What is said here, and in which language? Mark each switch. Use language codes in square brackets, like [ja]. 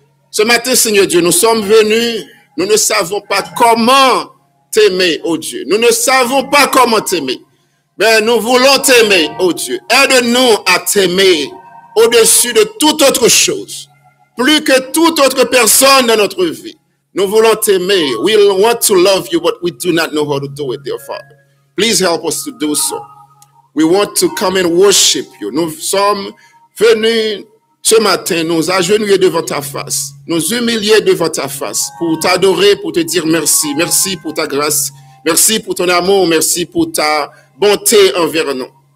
[fr] Ce matin, Seigneur Dieu, nous sommes venus, nous ne savons pas comment t'aimer, ô Dieu. Nous ne savons pas comment t'aimer, mais nous voulons t'aimer, ô Dieu. Aide-nous à t'aimer au-dessus de toute autre chose, plus que toute autre personne dans notre vie. Nous voulons t'aimer. [en] We want to love you, but we do not know how to do it, dear Father. Please help us to do so. We want to come and worship you. [fr] Nous sommes venus ce matin, nous agenouiller devant ta face, nous humilier devant ta face pour t'adorer, pour te dire merci. Merci pour ta grâce. Merci pour ton amour. Merci pour ta bonté envers nous.